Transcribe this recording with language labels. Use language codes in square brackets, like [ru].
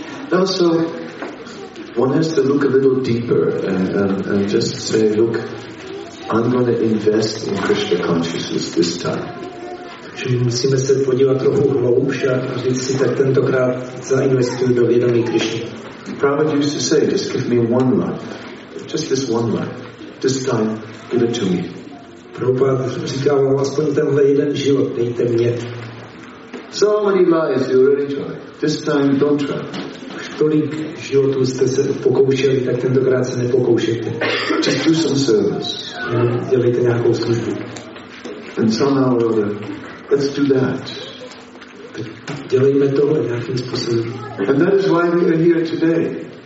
[en] Now, so one has to look a little deeper and just say, look, I'm going to invest in Krishna consciousness this time. [cs] Čili musíme se podívat trochu hlouš a říct si, tak tentokrát zainvestuju do vědomí Krishny. [en] Prabhupada used to say, just give me one life. Just this one life. This time, give it to me. [cs] Prabhupada říkal, aspoň tenhle jeden život, dejte mě. [en] So many lives you already tried. This time don't try. [cs] Už tolik životů jste se pokoušeli, tak tentokrát se nepokoušejte. [en] Just do some service. [cs] Dělejte nějakou službu. [en] And somehow or other, let's do that. [cs] Dělejme to nějakým způsobem. [en] And that is why we are here today.